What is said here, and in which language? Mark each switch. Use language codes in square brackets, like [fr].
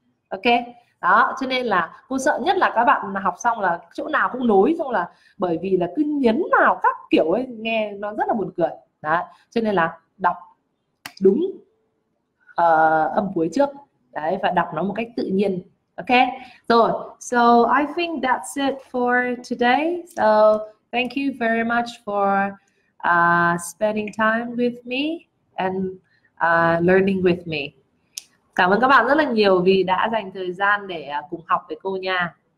[vi] Ok, đó, cho nên là cô sợ nhất là các bạn học xong là chỗ nào cũng nối, xong là bởi vì là cứ nhấn vào các kiểu ấy nghe nó rất là buồn cười đấy, cho nên là đọc đúng âm cuối trước đấy, và đọc nó một cách tự nhiên. Ok, rồi. [en] So, I think that's it for today. So, thank you very much for spending time with me and learning with me. [vi] Cảm ơn các bạn rất là nhiều vì đã dành thời gian để cùng học với cô nha.